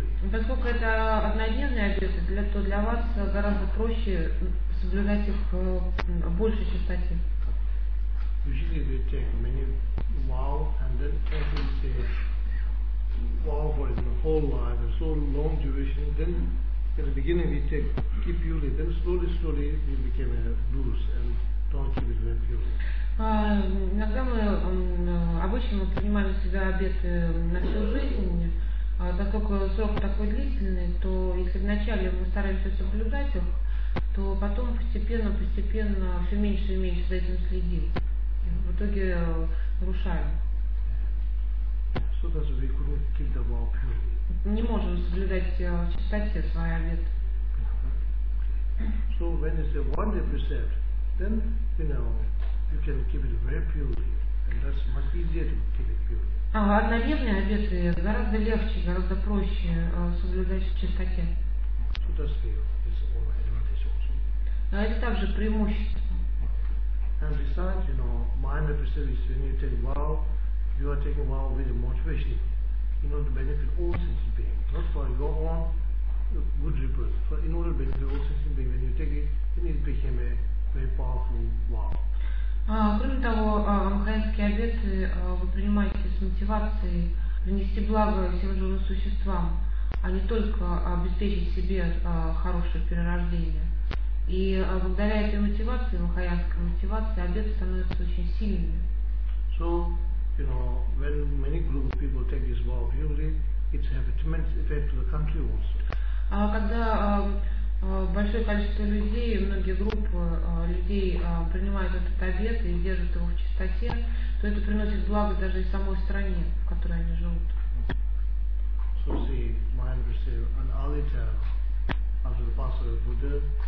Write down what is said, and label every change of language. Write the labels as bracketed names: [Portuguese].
[Russian] Поскольку это однодневные обеты, то для вас гораздо проще соблюдать их в большей частоте. [English] Usually they take many vow and then often say vow for the whole life, so long duration. Then in the beginning we take keep purely, then slowly, slowly we became a loose and don't keep it very pure. [Russian] Иногда мы обычно принимаем на себя обеты на всю жизнь, так как срок такой длительный, то если вначале мы стараемся соблюдать их, то потом постепенно все меньше и меньше за этим следим. В итоге нарушаем. [English] So that we couldn't keep the vow purely. [Russian] Не можем соблюдать в чистоте свои обеты. [English] So when it's a one day precept, then you know you can keep it very purely, and that's much easier to keep it purely. [Russian] Однодневные обеты гораздо легче, гораздо проще соблюдать в чистоте. [English] So that's the advantage also. [Russian] А это также преимущество. [English] And besides, you know, minor precepts, when you take vow, you are taking vow with a motivation, in order to benefit all sentient beings, not for your own good rebirth, but in order to benefit all sentient beings. When you take it, then it became a very powerful vow. [Russian] Кроме того, махаянские обеты вы принимаете с мотивацией принести благо всем живым существам, а не только обеспечить себе хорошее перерождение. И благодаря этой мотивации, махаянской мотивации, обет становится очень сильными. [English] So, you know, when many group of people take this vow purely, it has a tremendous effect to the country also. [Russian] Когда большое количество людей, многие группы людей принимают этот обет и держат его в чистоте, то это приносит благо даже и самой стране, в которой они живут. [English] So see, my understanding, an alita after the passing of the Buddha.